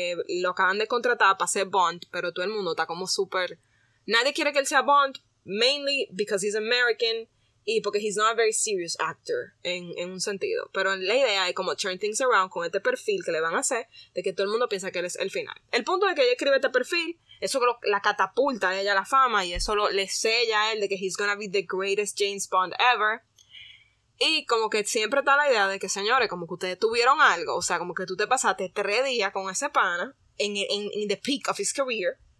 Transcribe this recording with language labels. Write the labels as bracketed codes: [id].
[es] Lo acaban de contratar para ser Bond, pero todo el mundo está como súper... Nadie quiere que él sea Bond. [en] Mainly because he's American [es] y porque [en] he's not a very serious actor [es] en un sentido. Pero la idea es como [en] turn things around [es] con este perfil que le van a hacer de que todo el mundo piensa que él es el final. El punto de que ella escribe este perfil, eso la catapulta a ella a la fama y eso le sella a él de que [en] he's gonna be the greatest James Bond ever. [es] Y como que siempre está la idea de que, señores, como que ustedes tuvieron algo, o sea, como que tú te pasaste 3 días con ese pana en [en] the peak of his career.